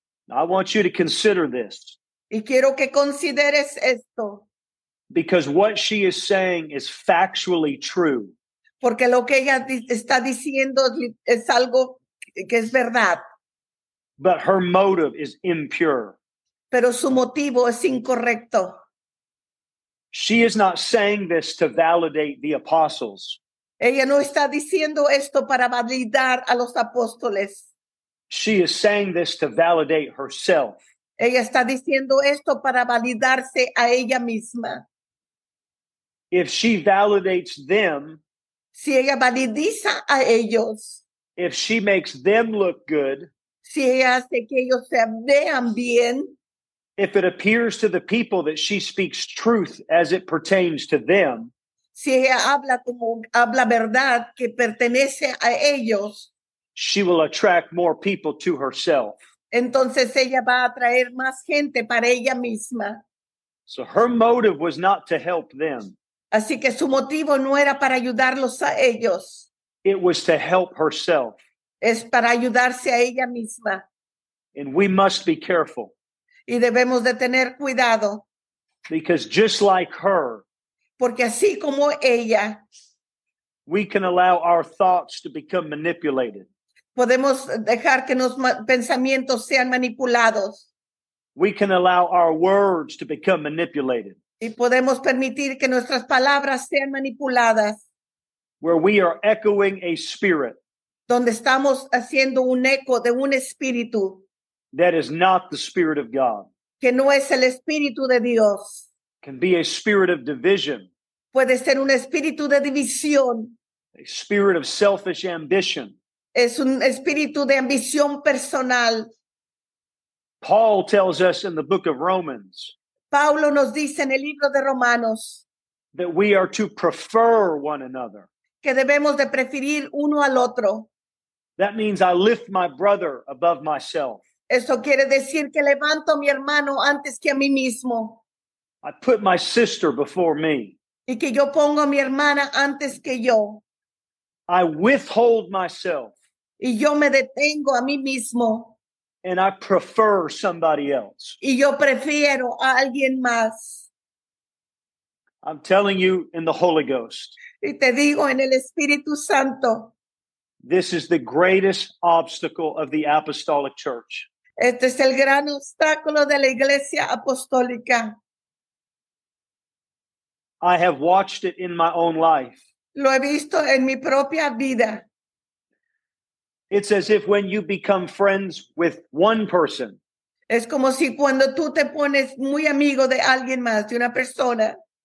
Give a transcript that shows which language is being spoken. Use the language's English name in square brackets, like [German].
[English] I want you to consider this. [Spanish] Y quiero que consideres esto. [English] Because what she is saying is factually true. [Spanish] Porque lo que ella está diciendo es algo que es verdad. [English] But her motive is impure. [Spanish] Pero su motivo es incorrecto. [English] She is not saying this to validate the apostles. [Spanish] Ella no está diciendo esto para validar a los apóstoles. [English] She is saying this to validate herself. [Spanish] Ella está diciendo esto para validarse a ella misma. [English] If she validates them, [Spanish] si ella validiza a ellos, [English] if she makes them look good, [Spanish] si ella hace que ellos se vean bien, [English] if it appears to the people that she speaks truth as it pertains to them, [Spanish] si ella habla como habla verdad que pertenece a ellos, [English] she will attract more people to herself. [Spanish] Entonces ella va a atraer más gente para ella misma. [English] So her motive was not to help them. [Spanish] Así que su motivo no era para ayudarlos a ellos. [English] It was to help herself. [Spanish] Es para ayudarse a ella misma. [English] And we must be careful. [Spanish] Y debemos de tener cuidado. [English] Because just like her, [Spanish] porque así como ella, [English] we can allow our thoughts to become manipulated. [Spanish] Podemos dejar que nuestros pensamientos sean manipulados. [English] We can allow our words to become manipulated. [Spanish] Y podemos permitir que nuestras palabras sean manipuladas. [English] Where we are echoing a spirit. [Spanish] Donde estamos haciendo un eco de un espíritu. [English] That is not the spirit of God. [Spanish] Que no es el espíritu de Dios. [English] Can be a spirit of division. [Spanish] Puede ser un espíritu de división. [English] A spirit of selfish ambition. [Spanish] Es un espíritu de ambición personal. [English] Paul tells us in the book of Romans. [Spanish] Pablo nos dice en el libro de Romanos. [English] That we are to prefer one another. [Spanish] Que debemos de preferir uno al otro. [English] That means I lift my brother above myself. [Spanish] Eso quiere decir que levanto a mi hermano antes que a mí mismo. [English] I put my sister before me. [Spanish] Y que yo pongo a mi hermana antes que yo. [English] I withhold myself. [Spanish] Y yo me detengo a mí mismo. [English] And I prefer somebody else. [Spanish] Y yo prefiero a alguien más. [English] I'm telling you in the Holy Ghost. [Spanish] Y te digo en el Espíritu Santo. [English] This is the greatest obstacle of the apostolic church. [Spanish] Este es el gran obstáculo de la iglesia apostólica. [English] I have watched it in my own life. [Spanish] Lo he visto en mi propia vida. [English] It's as if when you become friends with one person. [Spanish] Es como si cuando tú te pones muy amigo de alguien más, de una persona.